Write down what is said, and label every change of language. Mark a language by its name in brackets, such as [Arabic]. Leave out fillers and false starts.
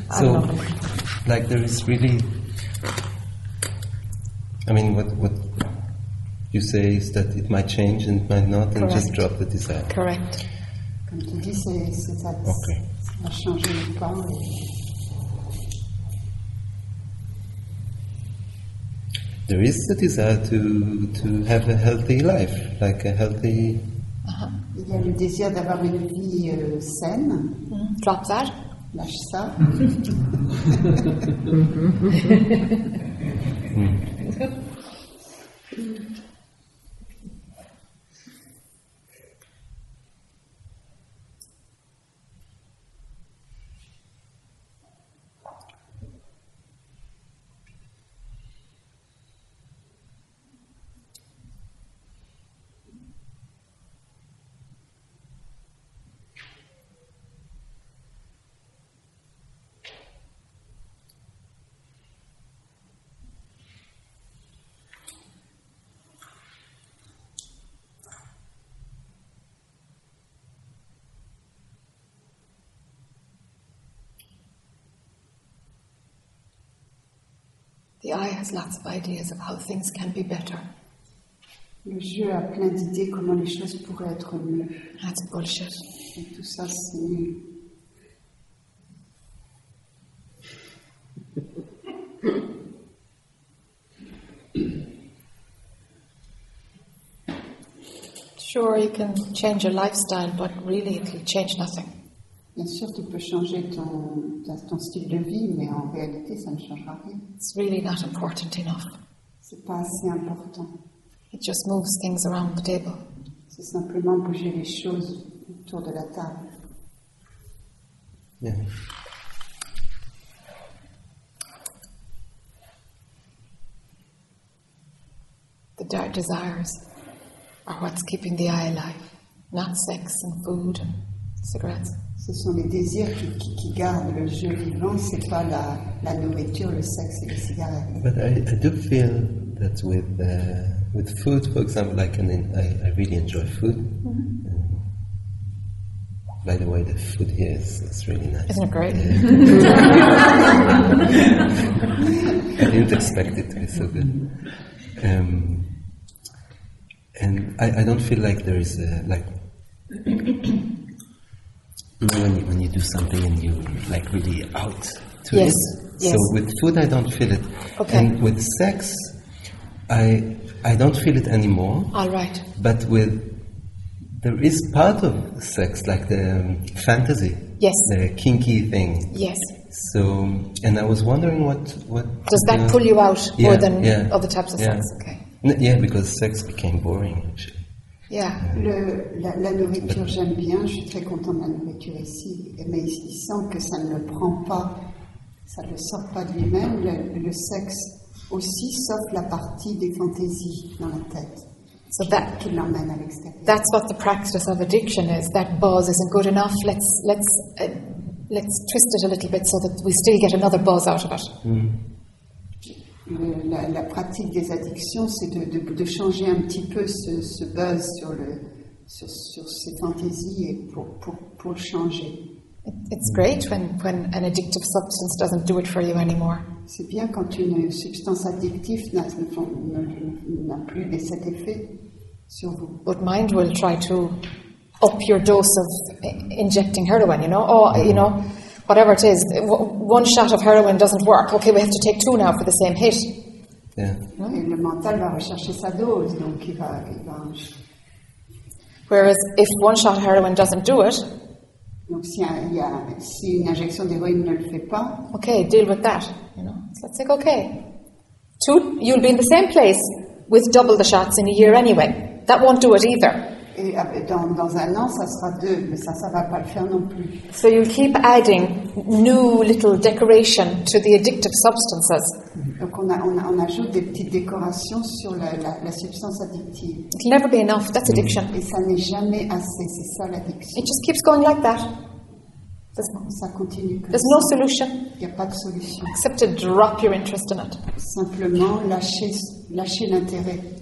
[English] So, like, there is really, I mean, what you say is that it might change and might not, and just drop the desire. Correct. [French] Comme tu dis, c'est ça. [English] Okay. [French] Ça change le plan. [English] There is the desire to have a healthy life, like a healthy. [French] Il y a le désir d'avoir une vie saine. [English] Drop that. [French] Lâche ça. [English] The eye has lots of ideas of how things can be better. [French] Le jeu a plein d'idées comment les choses pourraient être mieux. [English] That's bullshit. [French] Et tout ça, c'est nul. [English] Sure, you can change your lifestyle, but really, it will change nothing. [French] Bien sûr, tu peux changer ton style de vie, mais en réalité, ça ne changera rien. [English] It's really not important enough. [French] C'est pas assez important. [English] It just moves things around the table. [French] C'est simplement bouger les choses autour de la table. [English] Yeah. The dark desires are what's keeping the eye alive, not sex and food and cigarettes. [French] Ce sont les désirs qui gardent le jeu vivant, ce n'est pas la nourriture, le sexe et les cigarettes. [English] But I do feel that with food, for example, like I really enjoy food. Mm-hmm. By the way, the food here is really nice. Isn't it great? I didn't expect it to be so good. And I don't feel like there is a, like... When you do something and you like really out to yes, it. Yes. So with food I don't feel it. Okay. And with sex I don't feel it anymore. All right. But with there is part of sex, like the fantasy. Yes. The kinky thing. Yes. So and I was wondering what does that pull you out more than other types of sex? Okay. Because sex became boring actually. Yeah. [French] La nourriture, j'aime bien. Je suis très contente de la nourriture ici. Mais il sent que ça ne le prend pas. Ça ne le sort pas de lui-même. Le sexe aussi, sauf la partie des fantaisies dans la tête qui l'emmène à l'extérieur. [English] That's what the practice of addiction is. That buzz isn't good enough. Let's twist it a little bit so that we still get another buzz out of it. [French] La pratique des addictions, c'est de changer un petit peu ce buzz sur ces fantaisies et pour changer. [English] It's great when an addictive substance doesn't do it for you anymore. [French] C'est bien quand une substance addictive n'a plus cet effet sur vous. [English] But mind will try to up your dose of injecting heroin, you know, or you know. Whatever it is, one shot of heroin doesn't work. Okay, we have to take two now for the same hit. Yeah. [French] Et le mental va rechercher sa dose, donc il va. [English] Whereas if one shot of heroin doesn't do it, [French] donc si une injection d'héroïne ne le fait pas, [English] okay, deal with that. You know, so it's like okay, two, you'll be in the same place with double the shots in a year anyway. That won't do it either. [French] dans un an, ça sera deux, mais ça, ça va pas le faire non plus. [English] So you keep adding new little decoration to the addictive substances. [French] Donc on ajoute des petites décorations sur la substance addictive. [English] It'll never be enough. That's addiction. [French] Et ça n'est jamais assez. C'est ça l'addiction. [English] It just keeps going like that. [French] Ça continue comme [English] There's [French] ça. [English] No solution. [French] Y a pas de solution. Except to drop your interest in it. Simplement lâcher l'intérêt.